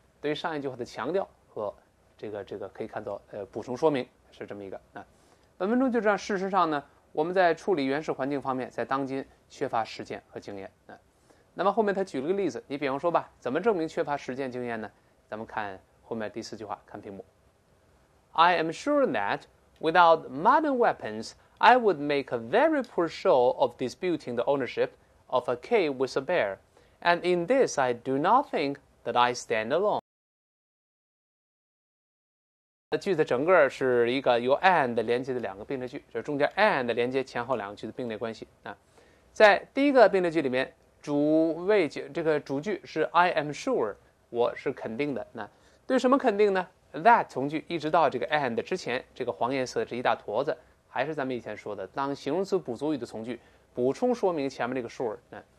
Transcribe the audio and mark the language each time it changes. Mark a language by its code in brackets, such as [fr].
[zh] 对上一句话的强调和这个可以看作补充说明，是这么一个。本文中就这样，事实上呢，我们在处理原始环境方面在当今缺乏实践和经验。那么后面他举了个例子，你比方说吧，怎么证明缺乏实践经验呢？咱们看后面第四句话，看屏幕。 [en] I am sure that without modern weapons, I would make a very poor show of disputing the ownership of a cave with a bear. And in this, I do not think that I stand alone. [zh] 句子整个是一个由 and 连接的两个并列句，就是中间 and 连接前后两个句的并列关系。在第一个并列句里面，主句是 [en] I am sure， [zh] 我是肯定的。那对什么肯定呢？that 从句一直到这个 and 之前，这个黄颜色的这一大坨子，还是咱们以前说的当形容词补足语的从句，补充说明前面这个 sure。